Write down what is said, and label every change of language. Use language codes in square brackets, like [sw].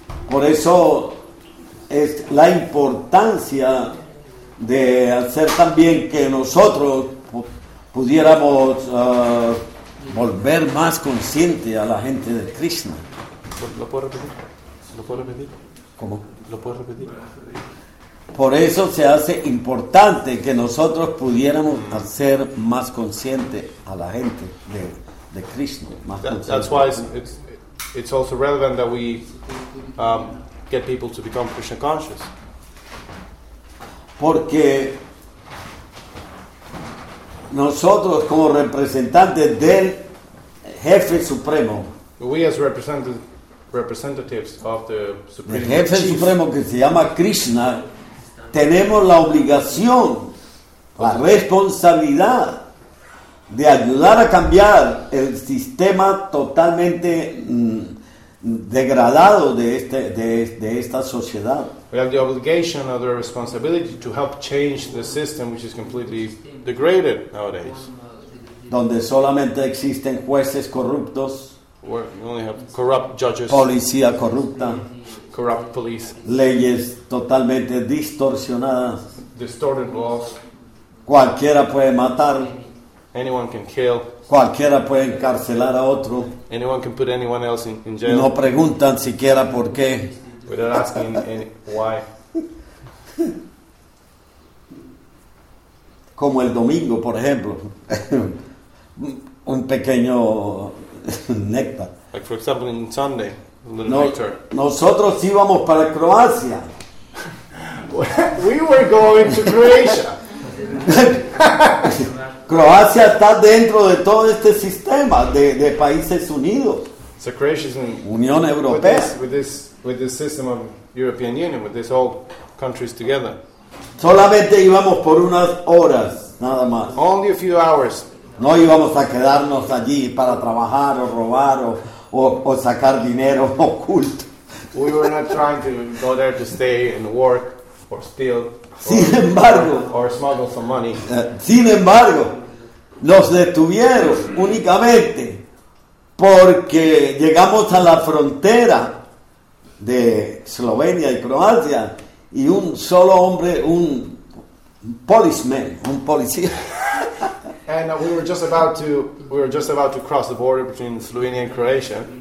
[es] Por eso es la importancia de hacer también que nosotros pudiéramos volver más consciente a la gente de Krishna. ¿Lo puedo repetir? Por eso se hace importante que nosotros pudiéramos hacer más consciente a la gente de Krishna. [en] That's why it's also relevant that we get people to become Krishna conscious. [es] Porque nosotros como representantes del jefe supremo, [en] we as representatives of the supreme, [es] el jefe supremo que se llama Krishna, tenemos la obligación, la responsabilidad de ayudar a cambiar el sistema totalmente degradado de esta sociedad. [en] We have the obligation or the responsibility to help change the system which is completely degraded nowadays. [es] Donde solamente existen jueces corruptos. [en] Where you only have corrupt judges. [es] Policía corrupta. [en] Corrupt police. [es] Leyes totalmente distorsionadas. [en] Distorted laws. [es] Cualquiera puede matar. [en] Anyone can kill. [es] Cualquiera puede encarcelar a otro. [en] Anyone can put anyone else in jail. [es] No preguntan siquiera por qué. [en] Without asking any why. [es] Como el domingo, por ejemplo. Un pequeño néctar. [en] Like for example in Sunday. [es] Nosotros íbamos para Croacia. [en] We were going to Croatia. [es] Croacia está dentro de todo este sistema de Países Unidos. [en] So Croatia is in [es] Unión Europea. [en] With this system of European Union, with this all countries together. [es] Solamente íbamos por unas horas, nada más. [en] Only a few hours. [es] No íbamos a quedarnos allí para trabajar o robar o sacar dinero oculto. [en] We were not trying to go there to stay and work or steal. [es] Sin embargo, [en] smuggle some money. [es] Sin embargo, nos detuvieron únicamente porque llegamos a la frontera de Eslovenia y Croacia y un solo hombre, un policía. [en] And we were just about to cross the border between Slovenia and Croatia.